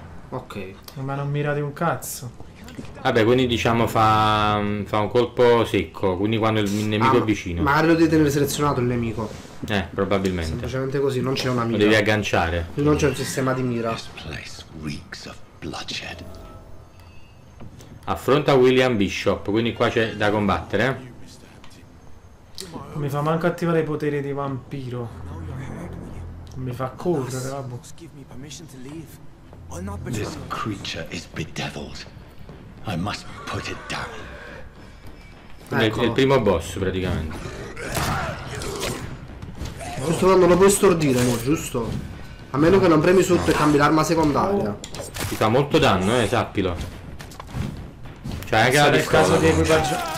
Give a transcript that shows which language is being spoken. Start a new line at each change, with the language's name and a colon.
Italian: Ok. Ma non mira di un cazzo. Vabbè, quindi diciamo fa un colpo secco, quindi quando il nemico è vicino. Magari lo devi tenere selezionato il nemico. Probabilmente. Semplicemente così, non c'è una mira. Lo devi agganciare. Quindi non c'è un sistema di mira.
English: This place reeks of bloodshed.
Italian: Affronta William Bishop, quindi qua c'è da combattere. Mi fa manco attivare i poteri di vampiro. Mi fa correre, vabbè.
English: This creature is bedeviled. I must put it down. Ecco.
Italian: È il primo boss praticamente. Questo non lo puoi stordire, no, giusto? A meno che non premi sotto e cambi l'arma secondaria. Ti fa molto danno, sappilo. Cioè anche la caso di equipaggio.